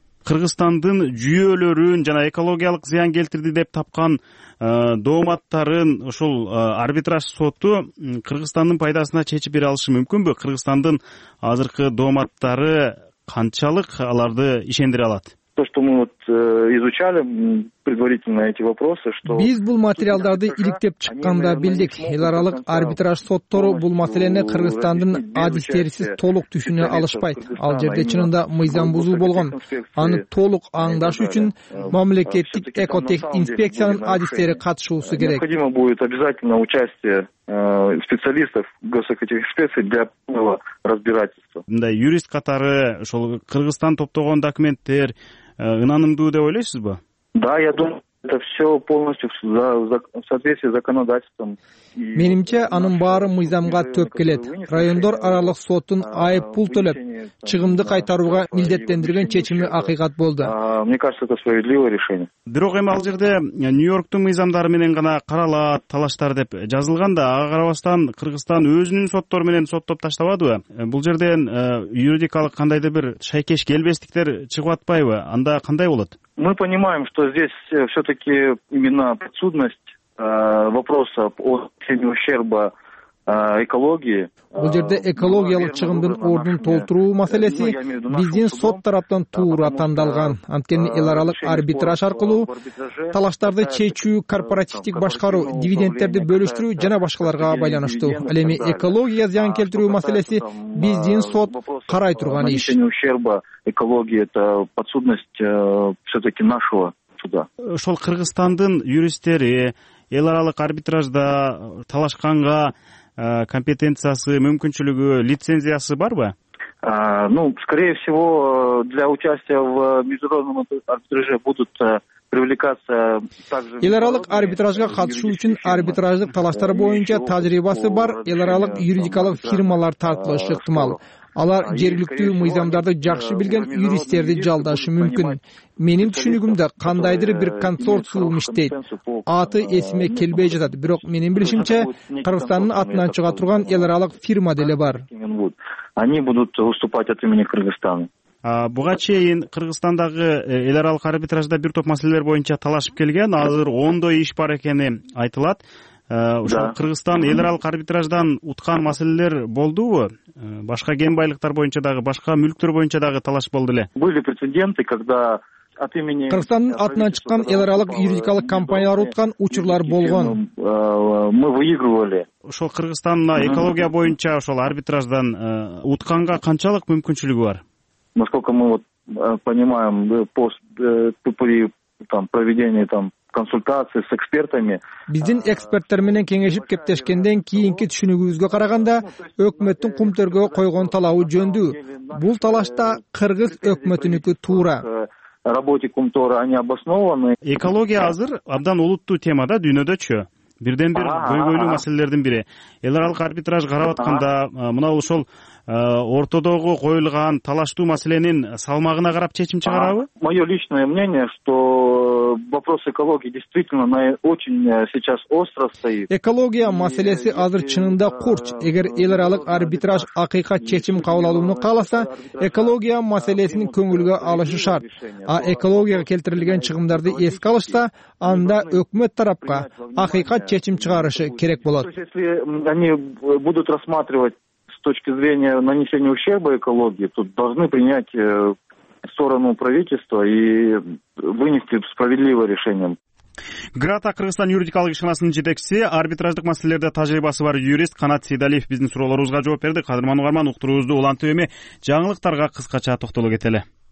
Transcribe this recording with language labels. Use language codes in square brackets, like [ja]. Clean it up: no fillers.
[ky] Кыргызстандын жүйөлөрүн жана экологиялык зыян келтирди деп тапкан дооматтарын ушул арбитраж соту Кыргызстандын пайдасына чечип бере алышы мүмкүнбү? Кыргызстандын азыркы дооматтары канчалык аларды ишендире алат? [ru] То, что мы вот изучали предварительно эти вопросы, что [ky] биз бул материалдарды иликтеп чыкканда билдик. Эл аралык арбитраж соттору бул маселени Кыргызстандын адистерисиз толук түшүнө алышпайт. Ал жерде чынында мыйзам бузуу болгон. Аны толук аңдаш үчүн мамлекеттик экотех инспекциянын адистери катышуусу керек. [ru] Необходимо будет обязательно участие специалистов госэкотех инспекции для полного разбирательства. [ky] Мындай юрист катары ошол Кыргызстан топтогон документтер ынанымдуу деп ойлойсузбу? [ru] Да, я думаю, это все полностью в соответствии с законодательством. [ky] Менимче анын баары мыйзамга төп келет. Райондор аралык соттун айып пул төлөп, чыгымды кайтарууга милдеттендирген чечими акыйкат болду. [ru] Мне кажется, это справедливое решение. [ky] Бирок эми ал жерде Нью-Йорктун мыйзамдары менен гана каралат, талаштар деп жазылган да, ага карабастан Кыргызстан өзүнүн соттору менен соттоп таштабадыбы? Бул жерден юридикалык кандайдыр бир шайкеш келбестиктер чыгып атпайбы? Анда кандай болот? [ru] Мы понимаем, что здесь все-таки именно подсудность вопроса о нанесении ущерба экологии. [ky] Бул жерде экологиялык чыгымдын ордун толтуруу маселеси биздин сот тараптан туура тандалган. Анткени эл аралык арбитраж аркылуу талаштарды чечүү, корпоративдик башкаруу, дивидендтерди бөлүштүрүү жана башкаларга байланыштуу. Ал эми экологияга зыян келтирүү маселеси биздин сот карай турган иш. [ru] Ущерба экологии — это подсудность все-таки нашего суда. [ky] Ошол Кыргызстандын юристтери эл аралык арбитражда талашканга компетенциясы, мүмкүнчүлүгү, лицензиясы барбы? [ru] Ну, скорее всего, для участия в международном арбитраже будут [ky] эл аралык арбитражга катышуу үчүн арбитраждык талаштар боюнча тажрыйбасы бар эл аралык юридикалык фирмалар тартылышы ыктымал. Алар жергиликтүү мыйзамдарды жакшы билген юристтерди жалдашы мүмкүн. Менин түшүнүгүмдө кандайдыр бир консорциум иштейт. Аты эсиме келбей жатат, бирок менин билишимче Кыргызстандын атынан чыга турган эл аралык фирма деле бар. [ru] Они будут выступать от имени Кыргызстана. [ky] Буга чейин Кыргызстандагы эл аралык арбитражда бир топ маселелер боюнча талашып келген, азыр 10 иш бар экени айтылат. Ошол Кыргызстан эл аралык арбитраждан уткан маселелер болдубу? Башка кен байлыктар боюнча дагы, башка мүлктөр боюнча дагы талаш болду эле. [ru] Были прецеденты, когда от имени [ky] Кыргызстандын атынан чыккан эл аралык юридикалык компаниялар уткан учурлар болгон. [ru] Мы выигрывали. [ky] Ошол Кыргызстанда экология боюнча ошол арбитраждан утканга канчалык мүмкүнчүлүгү бар? [ru] Насколько мы вот понимаем, при там проведении там консультации с экспертами. [ky] Биздин эксперттер менен кеңешип кептешкенден кийинки түшүнүгүбүзгө караганда, өкмөттүн кумтөргө койгон талабы жөндүү. Бул талашта кыргыз өкмөтүнүкү туура. [ru] Работе кумтора они обоснованы. [ky] Экология азыр абдан олуттуу тема да дүйнөдөчү. Бирден бир көйгөйлүү маселелердин бири. Эл аралык арбитраж карап атканда, мына ошол ортодогу коюлган талаштуу маселенин салмагына карап чечим чыгарабы? [ru] Моё личное мнение, что вопрос экологии действительно на очень сейчас остро стоит. [ky] Экология маселеси азыр чынында курч. Эгер эл аралык арбитраж акыйкат чечим кабылдоону кааласа, экология маселесинин көңүлгө алышы шарт. А экологияга келтирилген чыгымдарды эске алышса, анда өкмөт тарапка акыйкат чечим чыгарышы керек болот. [ru] Если они будут рассматривать с точки зрения нанесения ущерба экологии, тут должны принять сторону правительства и вынести справедливое решение. [ky] Грата Кыргызстан юридикалык ишканасынын жетекчиси, арбитраждык маселелерде тажрыйбасы бар юрист Канат Сейдалиев биздин суроолорубузга жооп берди. Кадырман угарман, уктуруубузду улантып эми жаңылыктарга кыскача токтоло кетели.